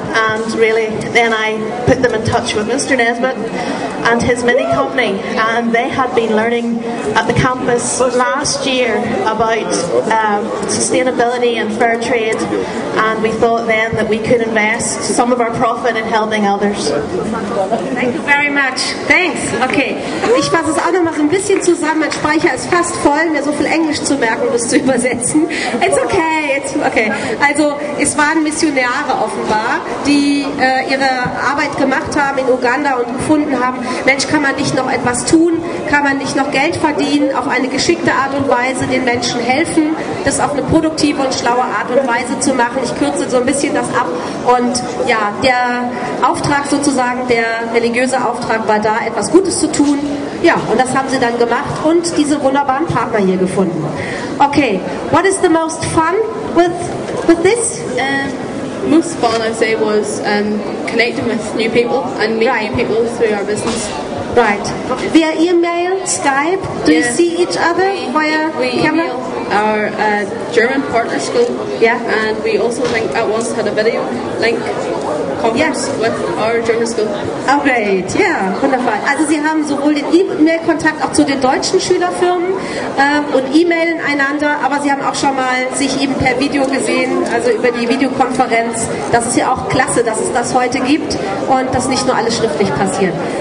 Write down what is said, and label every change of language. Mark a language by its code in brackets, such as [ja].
[en] And really, then I put them in touch with Mr. Nesbitt and his mini company. And they had been learning at the campus last year about sustainability and fair trade. And we thought then that we could invest some of our profit in helping others. Thank you very much. Thanks. Okay. [de] Ich fasse es auch noch mal so ein bisschen zusammen. Mein Speicher ist fast voll. Mir so viel Englisch zu merken und es zu übersetzen. [en] It's okay. Okay. [de] Also es waren Missionare offenbar, die ihre Arbeit gemacht haben in Uganda und gefunden haben, Mensch, kann man nicht noch etwas tun? Kann man nicht noch Geld verdienen? Auf eine geschickte Art und Weise den Menschen helfen, das auf eine produktive und schlaue Art und Weise zu machen. Ich kürze so ein bisschen das ab. Und ja, der Auftrag sozusagen, der religiöse Auftrag war da, etwas Gutes zu tun. Ja, und das haben sie dann gemacht und diese wunderbaren Partner hier gefunden. [en] Okay, what is the most fun with this? Most fun, I say, was connecting with new people and meeting new people through our business. Right. Via email, Skype, do you see each other via camera? We email our German partner school. Yeah. And we also once had a video link. Yes, with our German school. Okay, [de] ja, wunderbar. Also Sie haben sowohl den E-Mail-Kontakt auch zu den deutschen Schülerfirmen und E-Mailen einander, aber Sie haben auch schon mal sich eben per Video gesehen, also über die Videokonferenz. Das ist ja auch klasse, dass es das heute gibt und dass nicht nur alles schriftlich passiert.